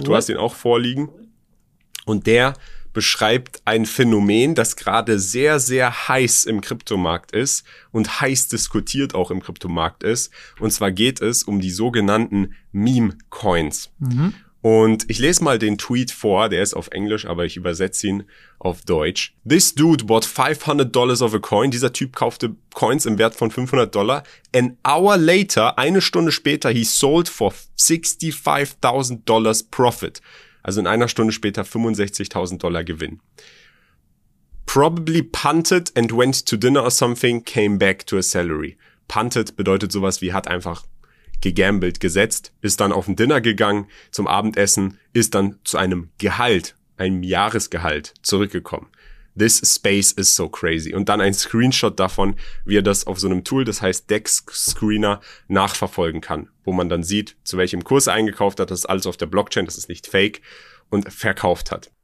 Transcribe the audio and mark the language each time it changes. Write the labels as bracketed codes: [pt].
[de] Du hast ihn auch vorliegen. Und der beschreibt ein Phänomen, das gerade sehr, sehr heiß im Kryptomarkt ist und heiß diskutiert auch im Kryptomarkt ist. Und zwar geht es um die sogenannten Meme-Coins. Mhm. Und ich lese mal den Tweet vor, der ist auf Englisch, aber ich übersetze ihn auf Deutsch. [en] This dude bought $500 of a coin. [de] Dieser Typ kaufte Coins im Wert von $500. [en] An hour later, [de] eine Stunde später, [en] he sold for $65,000 profit. [de] Also in einer Stunde später $65,000 Gewinn. [en] Probably punted and went to dinner or something, came back to a salary. [de] Punted bedeutet sowas wie hat einfach gegambelt, gesetzt, ist dann auf ein Dinner gegangen, zum Abendessen, ist dann zu einem Gehalt, einem Jahresgehalt zurückgekommen. [en] This space is so crazy. [de] Und dann ein Screenshot davon, wie er das auf so einem Tool, das heißt Dex Screener, nachverfolgen kann, wo man dann sieht, zu welchem Kurs er eingekauft hat, das ist alles auf der Blockchain, das ist nicht fake, und verkauft hat.